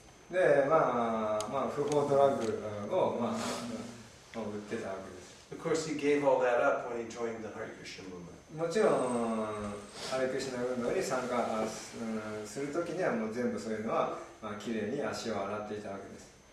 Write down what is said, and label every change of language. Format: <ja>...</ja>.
<ja>で、不法ドラッグを、売ってたわけです。</ja> <en>Of course, he gave all that up when he joined the Hare Krishna movement.</en> <ja>もちろん、ハレクリシュナ運動に参加するときにはもう全部そういうのは、きれいに足を洗っていたわけです。</ja>